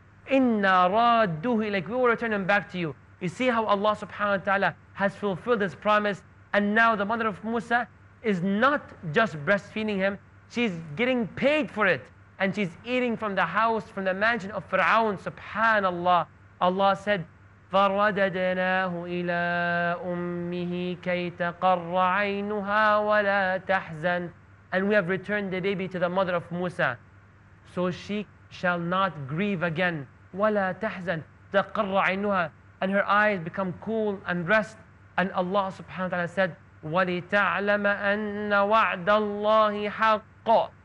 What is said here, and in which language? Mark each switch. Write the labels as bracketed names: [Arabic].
[Arabic] إِنَّا رَادُّهِ. [English] Like, we will return him back to you. You see how Allah subhanahu wa ta'ala has fulfilled his promise. And now the mother of Musa is not just breastfeeding him, she's getting paid for it. And she's eating from the house, from the mansion of Fir'aun. Subhanallah. Allah said, [Arabic] فَرَدَدْنَاهُ إِلَىٰ أُمِّهِ كَيْ تَقَرَّ عَيْنُهَا وَلَا تَحْزَنِ. [English] And we have returned the baby to the mother of Musa, so she shall not grieve again. [Arabic] وَلَا تَحْزَنْ تَقَرَّ عَيْنُهَا. [English] And her eyes become cool and rest. And Allah subhanahu wa ta'ala said, [Arabic] وَلِتَعْلَمَ أَنَّ وَعْدَ اللَّهِ حَقَّ.